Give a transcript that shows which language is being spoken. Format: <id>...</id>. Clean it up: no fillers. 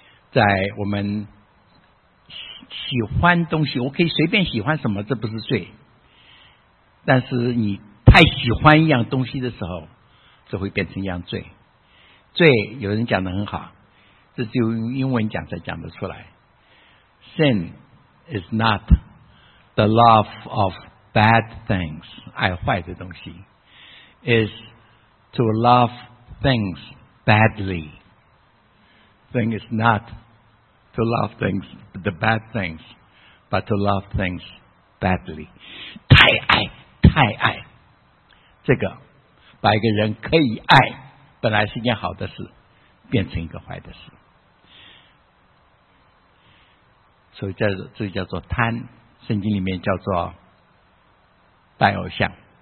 <zh>在我们喜欢东西，我可以随便喜欢什么，这不是罪。但是你太喜欢一样东西的时候，这会变成一样罪。罪有人讲得很好，这只有用英文讲才讲得出来。</zh> <en>Sin is not the love of bad things,</en> <zh>爱坏的东西，</zh> <en>is to love things badly. Sin is not to love things, the bad things, but to love things badly.</en> <zh>太爱，太爱，这个把一个人可以爱，本来是一件好的事，变成一个坏的事。所以这叫做贪，圣经里面叫做拜偶像。</zh>